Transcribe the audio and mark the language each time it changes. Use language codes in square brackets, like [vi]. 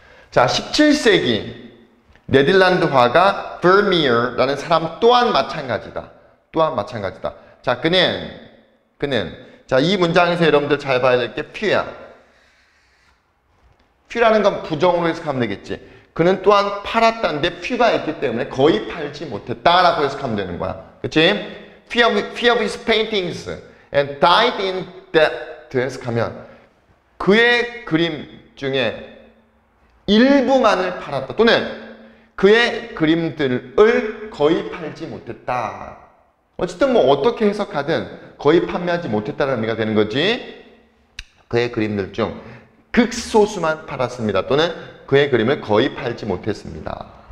[ko] 자, 17세기 네덜란드 화가 Vermeer라는 사람 또한 마찬가지다. 또한 마찬가지다. 자, 그는 자, 이 문장에서 여러분들 잘 봐야 될 게 few야. few라는 건 부정으로 해석하면 되겠지. 그는 또한 팔았다는데 few가 있기 때문에 거의 팔지 못했다라고 해석하면 되는 거야. 그치? [en] few of his paintings and died in debt. [ko] 해석하면 그의 그림 중에 일부만을 팔았다 또는 그의 그림들을 거의 팔지 못했다 어쨌든 뭐 어떻게 해석하든 거의 판매하지 못했다는 의미가 되는 거지 그의 그림들 중 극소수만 팔았습니다 또는 그의 그림을 거의 팔지 못했습니다